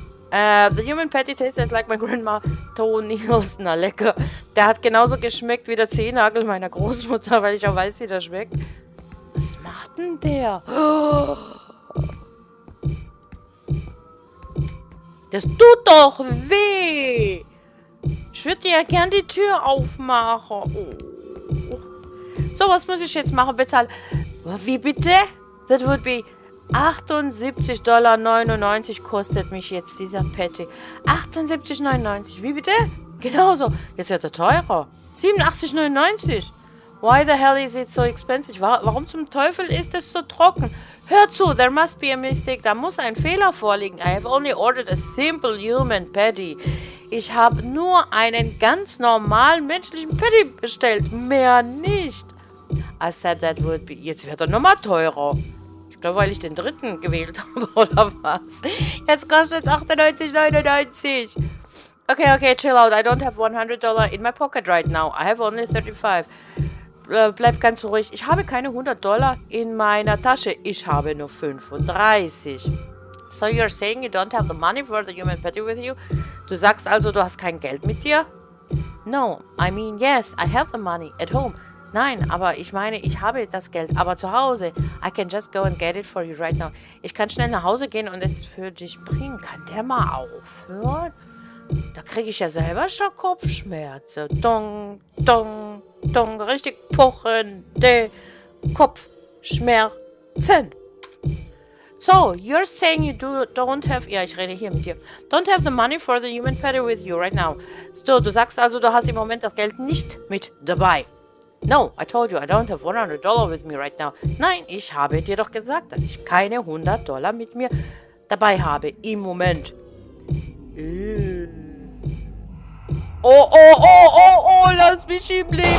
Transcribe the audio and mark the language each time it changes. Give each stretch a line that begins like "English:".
English: The human patty tasted like my grandma Toenails.
German: Na, lecker. Der hat genauso geschmeckt wie der Zehennagel meiner Großmutter, weil ich auch weiß, wie der schmeckt. Was macht denn der? Das tut doch weh! Ich würde ja gern die Tür aufmachen. So, was muss ich jetzt machen? Bezahlen? Wie bitte?
English: That would be...
German: $78.99 kostet mich jetzt dieser Patty. $78.99, wie bitte? Genauso. Jetzt wird er teurer.
English: $87.99. Why the hell is it so expensive?
German: Warum zum Teufel ist es so trocken? Hör zu,
English: there must be a mistake.
German: Da muss ein Fehler vorliegen.
English: I have only ordered a simple human patty.
German: Ich habe nur einen ganz normalen menschlichen Patty bestellt. Mehr nicht.
English: I said that would be...
German: Jetzt wird er nochmal teurer. Ich glaube, weil ich den dritten gewählt habe, oder was? Jetzt kostet es $98.99. Okay, okay,
English: chill out. I don't have $100 in my pocket right now. I have only 35.
German: Bleib ganz ruhig. Ich habe keine $100 in meiner Tasche. Ich habe nur 35.
English: So you're saying you don't have the money for the human patty with you?
German: Du sagst also, du hast kein Geld mit dir?
English: No, I mean yes, I have the money at home.
German: Nein, aber ich meine, ich habe das Geld, aber zu Hause.
English: I can just go and get it for you right now.
German: Ich kann schnell nach Hause gehen und es für dich bringen. Kann der mal aufhören? Da kriege ich ja selber schon Kopfschmerzen. Dong, dong, dong. Richtig pochende Kopfschmerzen.
English: So, you're saying you don't have...
German: Ja, ich rede hier mit dir.
English: Don't have the money for the human patty with you right now.
German: So, du sagst also, du hast im Moment das Geld nicht mit dabei.
English: No, I told you, I don't have $100 with me right now.
German: Nein, ich habe dir doch gesagt, dass ich keine $100 mit mir dabei habe im Moment. Oh, oh, oh, oh, oh, lass mich im Leben.